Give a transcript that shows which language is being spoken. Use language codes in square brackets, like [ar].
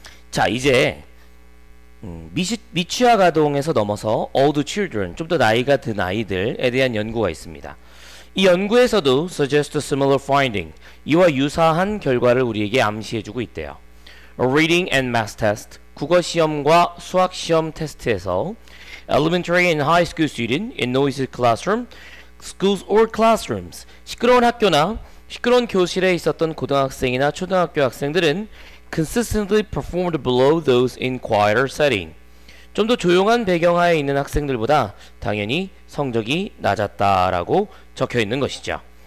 [ko] 자 이제 미취학 아동에서 넘어서 [en] old children, [ko] 좀 더 나이가 든 아이들에 대한 연구가 있습니다. 이 연구에서도 [en] suggest a similar finding, [ko] 이와 유사한 결과를 우리에게 암시해주고 있대요. [en] A reading and math test, [ko] 국어 시험과 수학 시험 테스트에서 [en] elementary and high school students in noisy classrooms, schools or classrooms. [ko] 시끄러운 학교나 시끄러운 교실에 있었던 고등학생이나 초등학교 학생들은 [en] consistently performed below those in quieter setting. [ko] 좀 더 조용한 배경하에 있는 학생들보다 당연히 성적이 낮았다라고 적혀 있는 것이죠.